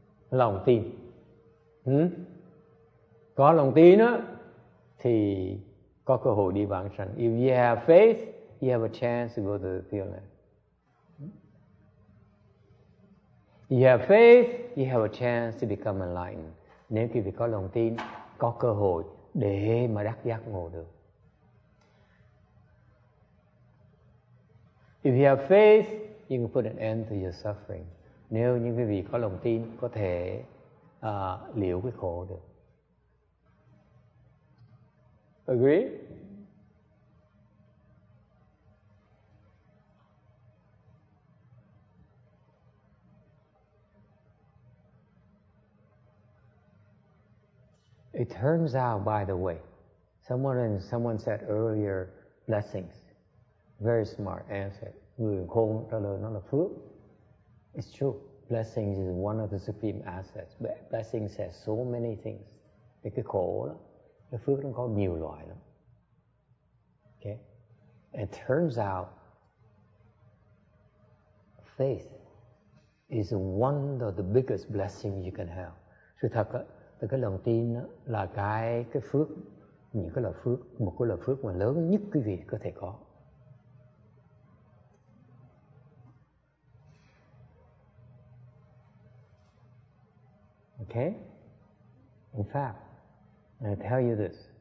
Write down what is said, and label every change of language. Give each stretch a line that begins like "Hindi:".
Vietnamese: Lòng tin. Có lòng tin á, thì có cơ hội đi vãng sanh.
English: If you have faith, you have a chance to go to the Pure Land. You have faith, you have a chance to become enlightened.
Vietnamese: Nếu quý vị có lòng tin, có cơ hội để mà đắc giác ngộ được.
English: If you have faith, you can put an end to your suffering.
Vietnamese: Nếu như quý vị có lòng tin, có thể liễu cái khổ được.
English: Agree? It turns out, by the way, someone said earlier, blessings. Very smart answer.
Vietnamese: Người khôn trả lời nó là phước.
English: It's true. Blessings is one of the supreme assets. Blessings has so many things.
Vietnamese: Cái khổ đó, cái phước nó có nhiều loại lắm.
English: Okay. It turns out, faith is one of the biggest blessings you can have.
Vietnamese: Sự thật đó, cái lòng tin đó là cái phước, những cái loại phước, một cái loại phước mà lớn nhất quý vị có thể có.
English: Okay, in fact, I tell you this.